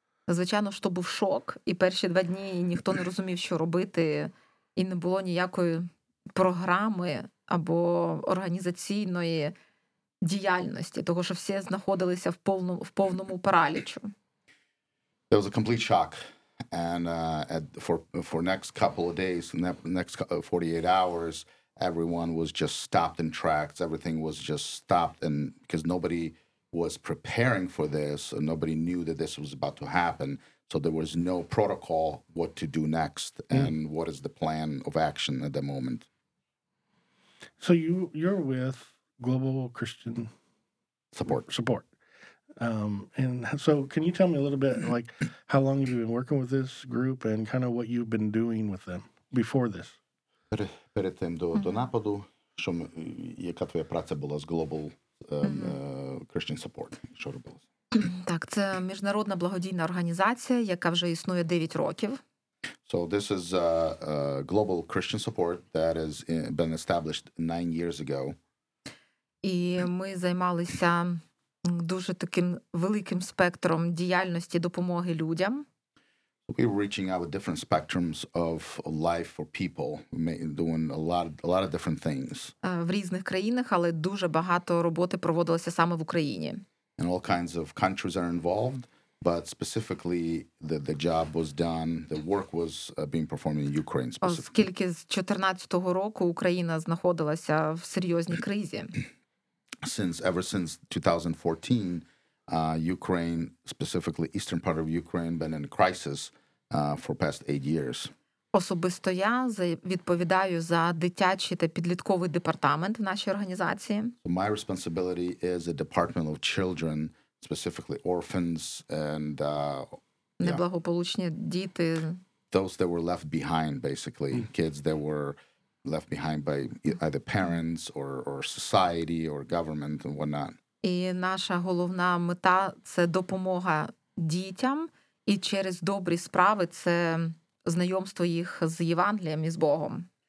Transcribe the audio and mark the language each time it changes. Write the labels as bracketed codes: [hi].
[uk] Звичайно, що був шок, і перші два дні ніхто не розумів, що робити, і не було ніякої програми або організаційної діяльності, того, що всі знаходилися в повному паралічі. [en] There was a complete shock, and for next couple of days, next 48 hours, everyone was just stopped in tracks. Everything was just stopped, and because nobody was preparing for this, and nobody knew that this was about to happen, so there was no protocol what to do next and what is the plan of action at the moment. So you're with Global Christian Support. And so can you tell me a little bit, like, how long have you been working with this group and kind of what you've been doing with them before this? [uk] Перед тим до нападу, що яка твоя праця була з Global Christian Support? Що робилося? Так, це міжнародна благодійна організація, яка вже існує 9 років. [en] So this is a Global Christian Support that has been established 9 years ago. [uk] І ми займалися дуже таким великим спектром діяльності допомоги людям. [en] We're reaching out with different spectrums of life for people, doing a lot of different things. [uk] В різних країнах, але дуже багато роботи проводилося саме в Україні. [en] And all kinds of countries are involved, but specifically the job was done, the work was being performed in Ukraine specifically. [uk] Оскільки з 14-го року Україна знаходилася в серйозній кризі. [en] Ever since 2014, Ukraine, specifically eastern part of Ukraine, been in crisis for past 8 years. [uk] Особисто я відповідаю за дитячий та підлітковий департамент в нашій організації. [en] So my responsibility is a department of children, specifically orphans and [uk] неблагополучні діти. [en] Those that were left behind, basically. Mm-hmm. Kids that were left behind by either parents or society or government and whatnot. [uk] І наша головна мета – це допомога дітям, і через добрі справи – це знайомство їх з Євангелієм і з Богом.